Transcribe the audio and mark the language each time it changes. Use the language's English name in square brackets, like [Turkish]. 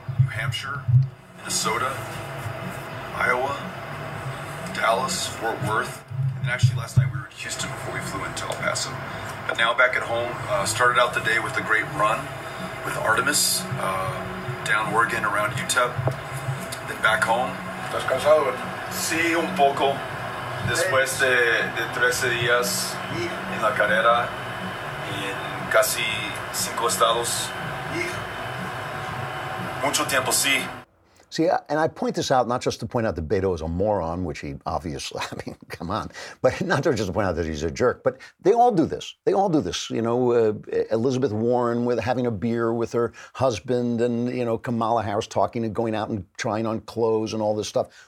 [English] Hampshire, Minnesota, Iowa, Dallas, Fort Worth, and then actually last night we were in Houston before we flew into El Paso. But now back at home, started out the day with a great run with Artemis, down Oregon around UTEP, then back home. [Spanish] ¿Estás cansado? Sí, un poco. Después de 13 días en la carrera y en casi 5 estados. Mucho tiempo, sí. [English] See, and I point this out not just to point out that Beto is a moron, which he obviously, I mean, come on, but not just to point out that he's a jerk, but they all do this. They all do this. You know, Elizabeth Warren with having a beer with her husband and, you know, Kamala Harris talking and going out and trying on clothes and all this stuff.